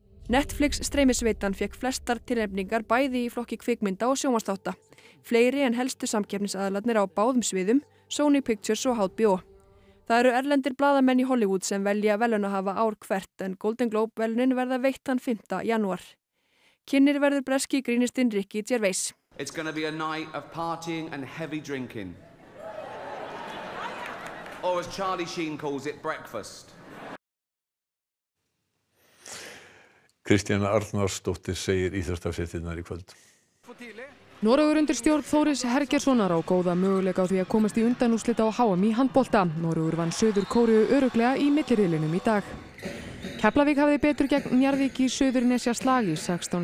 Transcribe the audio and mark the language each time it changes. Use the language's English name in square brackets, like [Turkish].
[Icelandic] Netflix streymisveitan fékk flestar tilnefningar bæði í flokki kvikmynda og sjónvarpsþátta. Fleiri en helstu samkeppnisaðilarnir á báðum sviðum, Sony Pictures og HBO. Það eru erlendir blaðamenn í Hollywood sem velja velun að hafa ár hvert en Golden Globe velunin verða veitt þann 5. janúar. Kynnir verður breski grínistinn Ricky Gervais. [English] It's gonna be a night of partying and heavy drinking. Or as Charlie Sheen calls it, breakfast. [Icelandic] Kristjana Arnarsdóttir segir íþróttafréttirnar í kvöld. Noregur undir stjórn Þóris Hergerssonar á góða möguleika á því að komast í undanúrslit á HM í handbolta. Noregur vann Suður Kóreu örugglega í milliriðlinum í dag. Keflavík hafði betur gegn Njarðvík í Suðurnesja slag í 16.